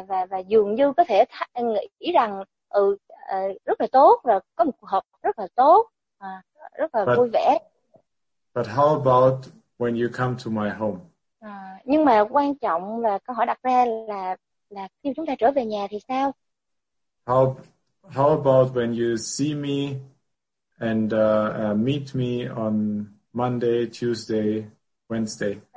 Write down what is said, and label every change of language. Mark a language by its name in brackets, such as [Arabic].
[Vietnamese] Và dường như có thể nghĩ rằng rất là tốt, là có một cuộc họp rất là tốt, rất là vui vẻ. [English] But how about when you come to my home? [Vietnamese] Nhưng mà quan trọng là câu hỏi đặt ra là khi chúng ta trở về nhà thì sao? [English] How about when you see me and meet me on Monday, Tuesday, Wednesday?